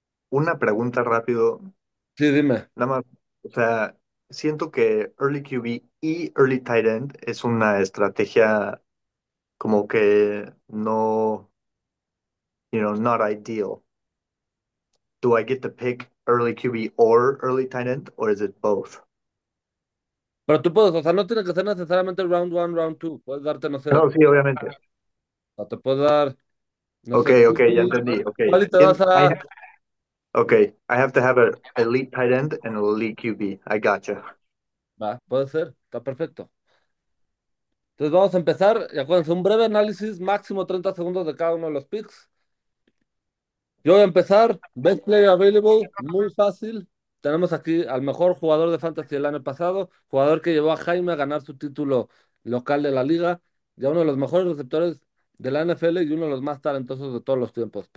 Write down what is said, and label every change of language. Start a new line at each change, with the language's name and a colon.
Spanish: una pregunta rápido. Sí, dime. Nada más, o sea, siento que Early QB y Early Tight End es una estrategia como que no,
English: not ideal. ¿Do I get to pick Early QB or Early Tight End, or is it both?
Spanish: Pero tú puedes, o sea, no tiene que ser necesariamente
English: round one, round two.
Spanish: Puedes darte, no sé. No, sí, obviamente. O te puedes dar, no sé, Okay, ya entendí. ¿Cuál Okay, y te vas
English: I
Spanish: a...?
English: have. Okay, I have to have an elite tight end and an elite QB. I gotcha.
Spanish: Va, puede ser, está perfecto. Entonces vamos a empezar. Y acuérdense, un breve análisis, máximo 30 segundos de cada uno de los picks. Yo voy a empezar.
English: Best player available,
Spanish: muy fácil. Tenemos aquí al mejor jugador de fantasy del año pasado, jugador que llevó a Jaime a ganar su título local de la liga, y a uno de los mejores receptores de la NFL y uno de los más talentosos de todos los tiempos.